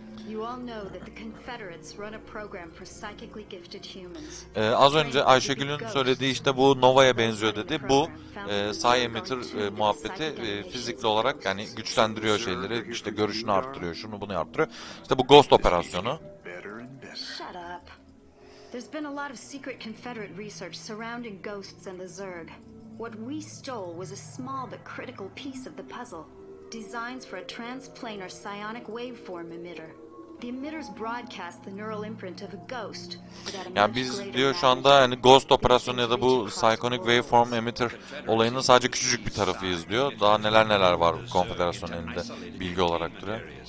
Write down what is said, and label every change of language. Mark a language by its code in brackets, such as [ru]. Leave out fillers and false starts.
[en] You all know that the Confederates run a program for psychically gifted humans. [tr] Az önce Ayşegül'ün söylediği işte bu Nova'ya benziyor dedi. Bu Psi Emitter muhabbeti fizikli olarak yani güçlendiriyor şeyleri, işte görüşünü arttırıyor, şunu bunu arttırıyor. İşte bu Ghost operasyonu. Shut up. [en] There's been a lot of secret Confederate research surrounding ghosts and the Zerg. What we stole was a small but critical piece of the puzzle. Designs for a transplanar psionic waveform emitter. The emitters broadcast the neural imprint of a ghost. [tr] Yani biz diyor şu anda hani ghost operasyonu ya da bu psionic waveform emitter olayının sadece küçücük bir tarafıyız diyor. Daha neler neler var konfederasyonun elinde bilgi olarak duruyor.